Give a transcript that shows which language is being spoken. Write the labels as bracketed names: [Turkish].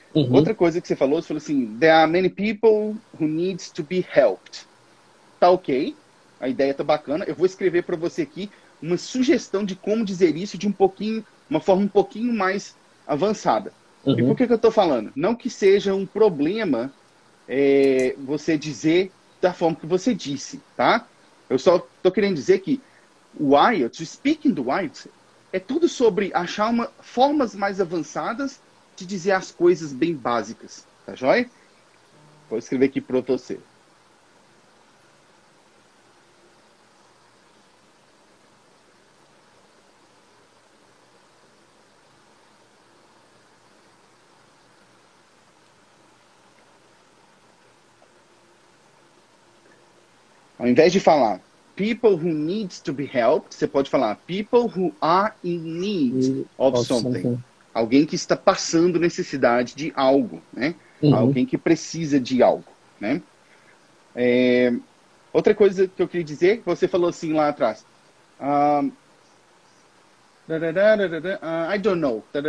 [Portuguese] Outra coisa que você falou assim, [English] there are many people who need to be helped. [Portuguese] Tá ok. A ideia tá bacana. Eu vou escrever para você aqui uma sugestão de como dizer isso de um pouquinho, uma forma um pouquinho mais avançada. E por que que eu tô falando? Não que seja um problema você dizer da forma que você disse, tá? Eu só tô querendo dizer que o IELTS, o speaking do IELTS, é tudo sobre achar formas mais avançadas de dizer as coisas bem básicas. Tá joia? Vou escrever aqui para você. Ao invés de falar [English] people who need to be helped, [Portuguese] você pode falar [English] people who are in need of something. [Portuguese] Alguém que está passando necessidade de algo, né? Alguém que precisa de algo, né? Outra coisa que eu queria dizer, você falou assim lá atrás. [English] I don't know.